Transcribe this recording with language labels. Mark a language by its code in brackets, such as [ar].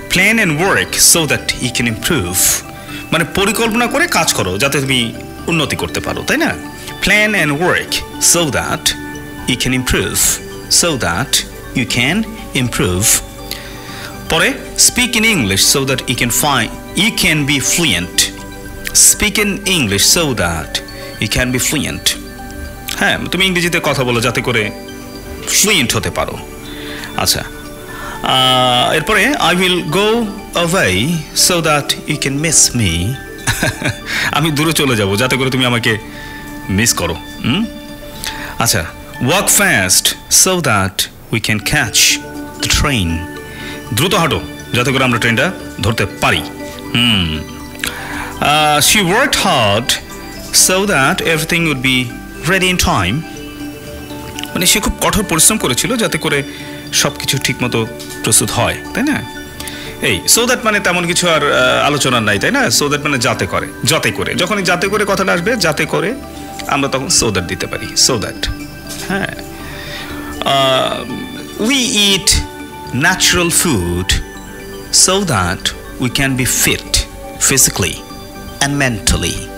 [en] plan and work so that I can improve, [bn] মানে পরিকল্পনা করে কাজ করো যাতে তুমি উন্নতি করতে পারো, তাই না? [en] Plan and work so that I can improve, so that you can improve. পরে speak in English so that I can find, I can be fluent. Speak in English so that you can be fluent. [bn] হ্যাঁ, তুমি ইংরেজিতে কথা বলো যাতে করে fluent হতে পারো। আচ্ছা, এরপরে [en] I will go away so that you can miss me, [bn] আমি দূরে চলে যাব যাতে করে তুমি আমাকে মিস করো। [en] আচ্ছা, walk fast so that we can catch the train, [bn] দ্রুত হাঁটো যাতে করে আমরা ট্রেনটা ধরতে পারি। [en] She worked hard so that everything would be ready in time. [bn] মানে সে খুব কঠোর পরিশ্রম করেছিল যাতে করে সব কিছু ঠিকমতো প্রস্তুত হয়, তাই না? এই সো দ্যাট মানে তেমন কিছু আর আলোচনার নাই, তাই না? সো দ্যাট মানে যাতে করে, যাতে করে, যখনই যাতে করে কথাটা আসবে, যাতে করে আমরা তখন সো দ্যাট দিতে পারি, সো দ্যাট। [en] হ্যাঁ, we eat natural food so that we can be fit physically and mentally.